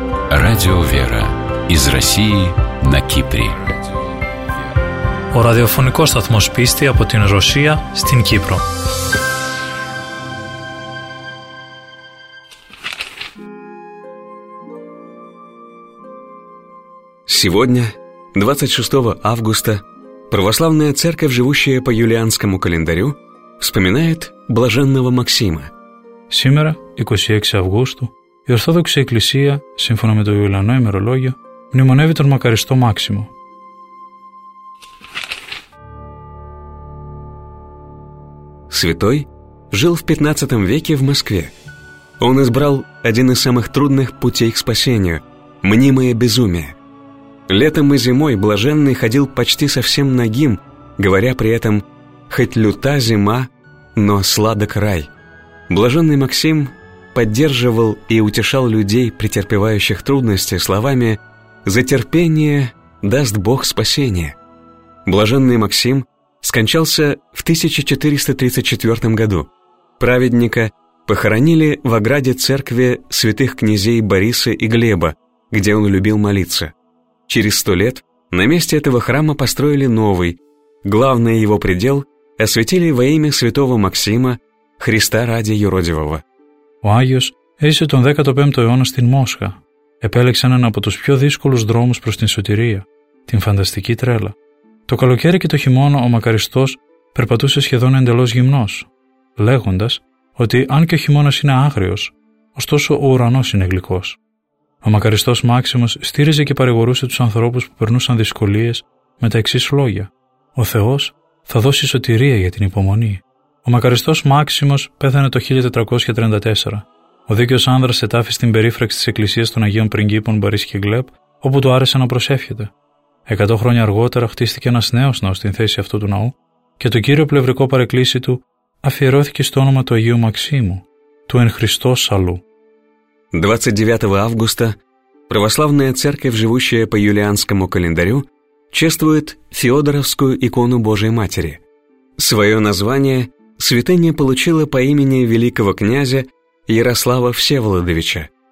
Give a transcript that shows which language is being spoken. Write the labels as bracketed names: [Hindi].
[Russian] Радио «Вера» из России на Кипре. [Greek] Ο ραδιοφωνικός σταθμός πίστη από την Ρωσία στην Κύπρο. [Russian] Сегодня, 26 августа, Православная Церковь, живущая по юлианскому календарю, вспоминает блаженного Максима. Сегодня, 26 августа, [Greek] η Ορθόδοξη Εκκλησία, σύμφωνα με το Ιουλιανό ημερολόγιο, μνημονεύει τον μακαριστό Μάξιμο. [Russian] Святой жил в 15 веке в Москве. Он избрал один из самых трудных путей к спасению – мнимое безумие. Летом и зимой блаженный ходил почти совсем нагим, говоря при этом «хоть люта зима, но сладок рай». Блаженный Максим поддерживал и утешал людей, претерпевающих трудности, словами «за терпение даст Бог спасение». Блаженный Максим скончался в 1434 году. Праведника похоронили в ограде церкви святых князей Бориса и Глеба, где он любил молиться. Через 100 лет на месте этого храма построили новый. Главный его предел освятили во имя святого Максима, Христа ради юродивого. [Greek] Ο Άγιος έζησε τον 15ο αιώνα στην Μόσχα. Επέλεξε έναν από τους πιο δύσκολους δρόμους προς την σωτηρία, την φανταστική τρέλα. Το καλοκαίρι και το χειμώνα ο μακαριστός περπατούσε σχεδόν εντελώς γυμνός, λέγοντας ότι αν και ο χειμώνας είναι άγριος, ωστόσο ο ουρανός είναι γλυκός. Ο μακαριστός Μάξιμος στήριζε και παρηγορούσε τους ανθρώπους που περνούσαν δυσκολίες με τα εξής λόγια: «Ο Θεός θα δώσει σωτηρία για την υπομονή». Ο μακαριστός Μάξιμος πέθανε το 1434. Ο δίκαιος άνδρας ετάφη στην περίφραξη της Εκκλησίας των Αγίων Πριγκίπων Μπαρίς και Γκλέπ, όπου του άρεσε να προσεύχεται. 100 χρόνια αργότερα χτίστηκε ένας νέος ναός στην θέση αυτού του ναού και το κύριο πλευρικό παρεκκλήσι του αφιερώθηκε στο όνομα του Αγίου Μαξίμου, του εν Χριστώ Σαλού. 29 Αύγουστα, [Russian] Православная Церковь, живущая по юлианскому календарю, чествует Феодоровскую икону Божией Матери. Свое название святыня получила по имени великого князя Ярослава Всеволодовича.